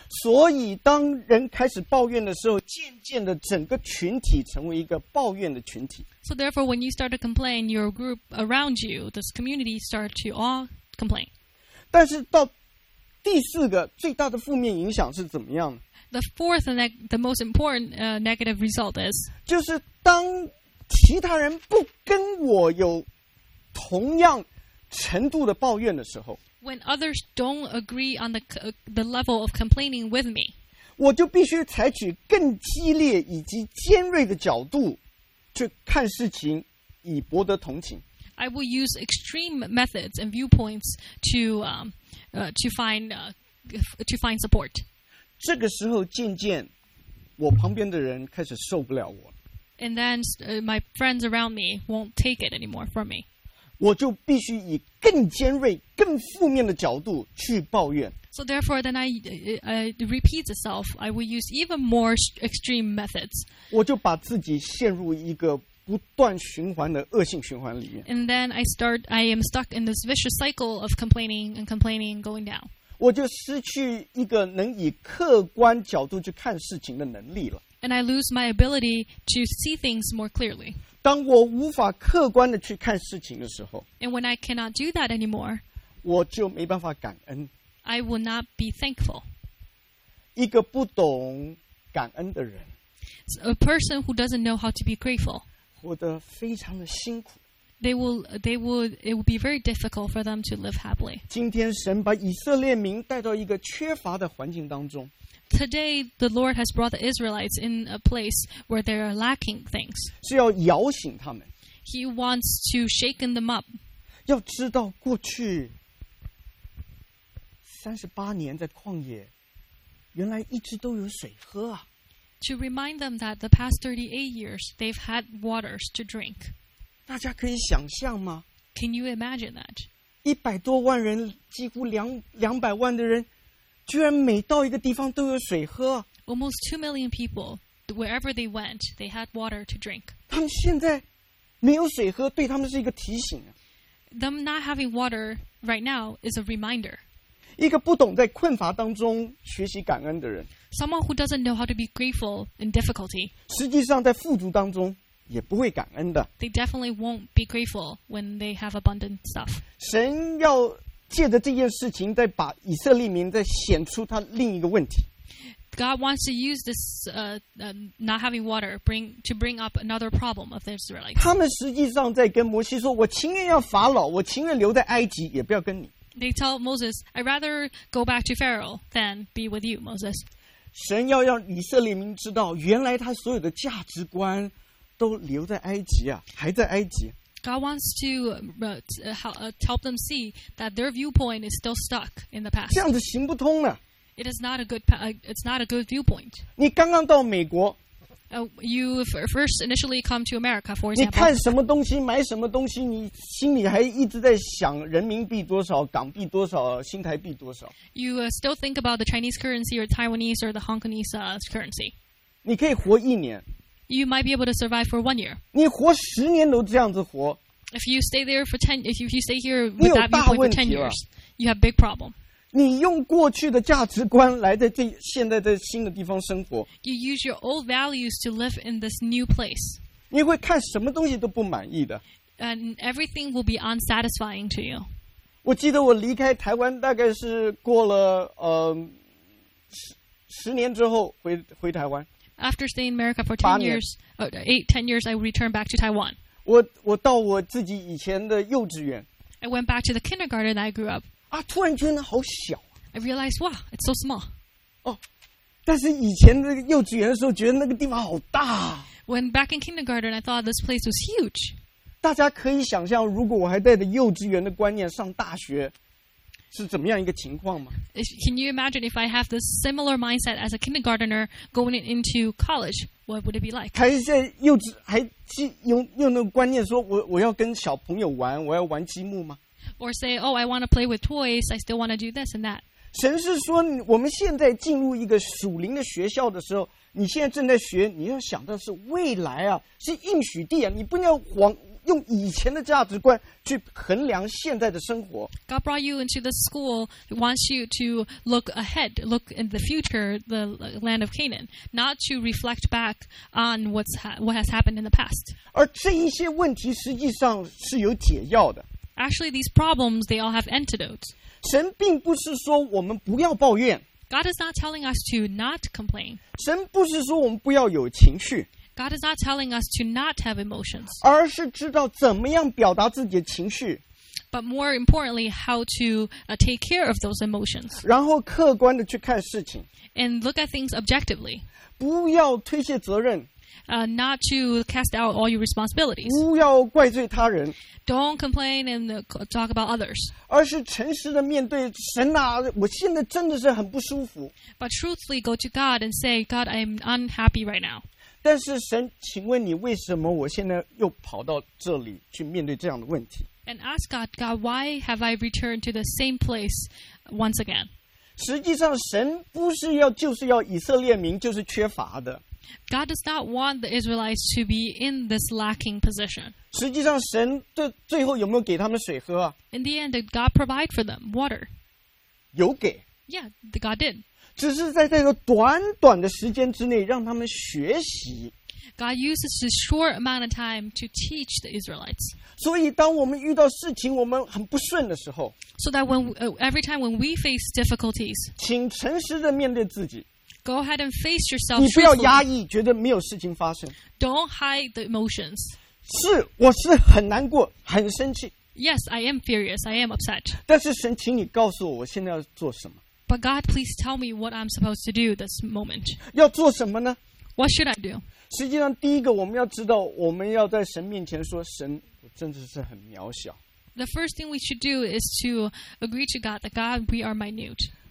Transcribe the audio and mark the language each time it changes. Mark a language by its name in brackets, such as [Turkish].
[Chinese] 所以当人开始抱怨的时候渐渐的整个群体成为一个抱怨的群体。 [English] So therefore, when you start to complain, your group around you, this community start to all complain. [Chinese] 但是到第四个最大的负面影响是怎么样呢 [English] The fourth and the most important negative result is [Chinese] 就是当其他人不跟我有同样程度的抱怨的时候 [English] When others don't agree on the level of complaining with me [Chinese] 我就必须采取更激烈以及尖锐的角度去看事情以博得同情 [English] I will use extreme methods and viewpoints to find support [Chinese] 这个时候渐渐我旁边的人开始受不了我 [English] and then my friends around me won't take it anymore from me. [Chinese] 我就必须以更尖锐、更负面的角度去抱怨。 [English] So therefore, then I repeat itself. I will use even more extreme methods. [Chinese] 我就把自己陷入一个不断循环的恶性循环里面。 [English] And then I am stuck in this vicious cycle of complaining and complaining, going down. [Chinese] 我就失去一个能以客观角度去看事情的能力了。 [English] And I lose my ability to see things more clearly. [Chinese] 当我无法客观地去看事情的时候 [English] ，And when I cannot do that anymore, [Chinese] 我就没办法感恩。 [English] I will not be thankful. [Chinese] 一个不懂感恩的人 [English] ，A person who doesn't know how to be grateful. [Chinese] 活得非常的辛苦。 [English] It will be very difficult for them to live happily. [Chinese] 今天神把以色列民带到一个缺乏的环境当中。 [English] Today, the Lord has brought the Israelites in a place where they are lacking things. [Chinese] 是要摇醒他们。 [English] He wants to shake them up. [Chinese] 要知道过去38年在旷野，原来一直都有水喝啊。 [English] To remind them that the past 38 years, they've had waters to drink. [Chinese] 大家可以想象吗？ [English] Can you imagine that? [Chinese] 100多万人，几乎200万的人居然每到一个地方都有水喝。 [English] Almost 2 million people, wherever they went, they had water to drink. [Chinese] 他们现在没有水喝，对他们是一个提醒。 [English] Them not having water right now is a reminder. [Chinese] 一个不懂在困乏当中学习感恩的人。 [English] Someone who doesn't know how to be grateful in difficulty. [Chinese] 实际上在富足当中也不会感恩的。 [English] They definitely won't be grateful when they have abundant stuff. [Chinese] 神要借着这件事情再把以色列民再显出他另一个问题。 [English] God wants to use this not having water bring up another problem of the Israelites. [Chinese] 他们实际上在跟摩西说，我情愿要法老，我情愿留在埃及，也不要跟你。 [English] They tell Moses, I'd rather go back to Pharaoh than be with you, Moses. [Chinese] 神要让以色列民知道，原来他所有的价值观都留在埃及啊，还在埃及。 [English] God wants to help them see that their viewpoint is still stuck in the past. [Chinese] 这样子行不通的。 [English] It is not a good it's not a good viewpoint. [Chinese] 你刚刚到美国。 [English] You first initially come to America, for example. [Chinese] 你看什么东西，买什么东西，你心里还一直在想人民币多少，港币多少，新台币多少。 [English] You still think about the Chinese currency or Taiwanese or the Hong Kongese currency. [Chinese] 你可以活一年。 [English] You might be able to survive for 1 year. [Chinese] 你活十年都这样子活。 [English] If you stay there for ten, if you stay here with that viewpoint for 10 years, you have big problem. [Chinese] 你用过去的价值观来在这现在在新的地方生活。 [English] You use your old values to live in this new place. [Chinese] 你会看什么东西都不满意的。 [English] And everything will be unsatisfying to you. [Chinese] 我记得我离开台湾大概是过了十年之后回台湾。 [English] After staying in America for 10 years, 8-10 years, I returned back to Taiwan. [Chinese] 我到我自己以前的幼稚园。 [English] I went back to the kindergarten I grew up. [Chinese] 啊，突然觉得好小。 [English] I realized, wow, it's so small. [Chinese] 哦，但是以前那个幼稚园的时候，觉得那个地方好大。 [English] When back in kindergarten, I thought this place was huge. [Chinese] 大家可以想象，如果我还带着幼稚园的观念上大学，是怎么样一个情况吗？ [English] Can you imagine if I have this similar mindset as a kindergartner going into college? What would it be like? [Chinese] 还在幼稚，还用那个观念说我要跟小朋友玩，我要玩积木吗？ [English] Or say, oh, I want to play with toys. I still want to do this and that. [Chinese] 神是说，我们现在进入一个属灵的学校的时候，你现在正在学，你要想的是未来啊，是应许地啊，你不要往用以前的价值观去衡量现在的生活。 [English] God brought you into the school, wants you to look ahead, look in the future, the land of Canaan, not to reflect back on what has happened in the past. [Chinese] 而这一些问题实际上是有解药的。 [English] Actually, these problems, they all have antidotes. [Chinese] 神并不是说我们不要抱怨。 [English] God is not telling us to not complain. [Chinese] 神不是说我们不要有情绪。 [English] God is not telling us to not have emotions. [Chinese] 而是知道怎么样表达自己的情绪。 [English] But more importantly, how to take care of those emotions. [Chinese] 然后客观地去看事情。 [English] And look at things objectively. [Chinese] 不要推卸责任。 [English] Not to cast out all your responsibilities. [Chinese] 不要怪罪他人。 [English] Don't complain and talk about others. [Chinese] 而是诚实地面对神啊，我现在真的是很不舒服。 [English] But truthfully go to God and say, God, I'm unhappy right now. [Chinese] 但是神，请问你为什么我现在又跑到这里去面对这样的问题？ [English] And ask God, God, why have I returned to the same place once again? [Chinese] 实际上神不是要就是要以色列民就是缺乏的。 [English] God does not want the Israelites to be in this lacking position. [Chinese] 实际上神最后有没有给他们水喝啊？ [English] In the end, did God provide for them water? [Chinese] 有给。 [English] Yeah, God did. [Chinese] 只是在这个短短的时间之内让他们学习。 [English] God uses this short amount of time to teach the Israelites. [Chinese] 所以当我们遇到事情我们很不顺的时候。 [English] So that when, every time when we face difficulties, [Chinese] 请诚实地面对自己。 [English] Go ahead and face yourself. [Chinese] 你不要压抑，觉得没有事情发生。 [English] Don't hide the emotions. [Chinese] 是，我是很难过，很生气。 [English] Yes, I am furious. I am upset. [Chinese] 但是神，请你告诉我，我现在要做什么。 [English] But God, please tell me what I'm supposed to do this moment. [Chinese] 要做什么呢？ [English] What should I do? [Chinese] 实际上，第一个我们要知道，我们要在神面前说，神，我真的是很渺小。 [English] The first thing we should do is to agree to God that God, we are minute.